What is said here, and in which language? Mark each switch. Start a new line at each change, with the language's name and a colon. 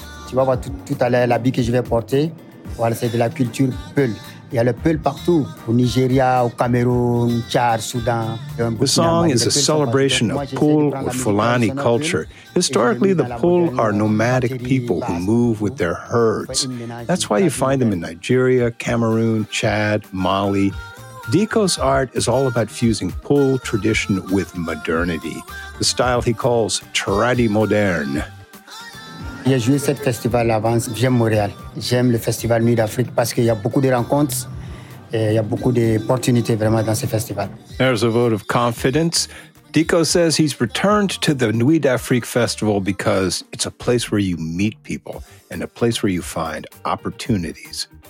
French: Tu vas voir tout à l'heure l'habit que je vais porter. Voilà, c'est de la culture peul. Il y a le peul partout, au Nigeria, au Cameroun, Tchad, Soudan.
English: The song is a celebration of Pul or Fulani culture. Historically, the Pul are nomadic people who move with their herds. That's why you find them in Nigeria, Cameroun, Chad, Mali. Dicko's art is all about fusing Pul tradition with modernity, the style he calls tradi moderne.
French: J'ai joué cet festival avant. J'aime Montréal. J'aime le festival Nuit d'Afrique parce qu'il y a beaucoup de rencontres et il y a beaucoup d'opportunités vraiment dans ce festival.
English: There's a vote of confidence. Dicko says he's returned to the Nuit d'Afrique festival because it's a place where you meet people and a place where you find opportunities.